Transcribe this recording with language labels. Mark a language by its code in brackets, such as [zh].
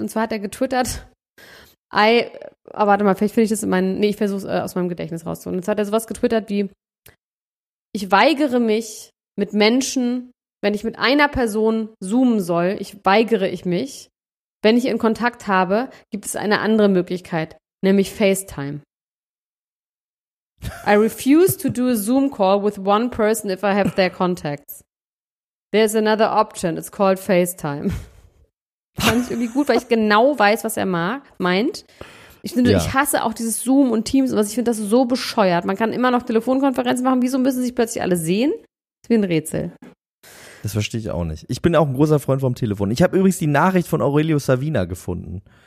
[de] Und zwar hat er getwittert, warte mal, vielleicht finde ich das in meinem, nee, ich versuche es aus meinem Gedächtnis rauszuholen. Und zwar hat er sowas getwittert wie, ich weigere mich mit Menschen, wenn ich mit einer Person zoomen soll, ich weigere mich. Wenn ich in Kontakt habe, gibt es eine andere Möglichkeit, nämlich FaceTime. [en] I refuse to do a Zoom call with one person if I have their contacts. There's another option, it's called FaceTime. [de] Fand ich irgendwie gut, weil ich genau weiß, was er meint. Ich finde, ich hasse auch dieses Zoom und Teams, was ich finde, das so bescheuert. Man kann immer noch Telefonkonferenzen machen, wieso müssen sich plötzlich alle sehen? Das ist wie ein Rätsel. Das verstehe ich auch nicht. Ich bin auch ein großer Freund vom Telefon. Ich habe übrigens die Nachricht von Aurelio Savina gefunden.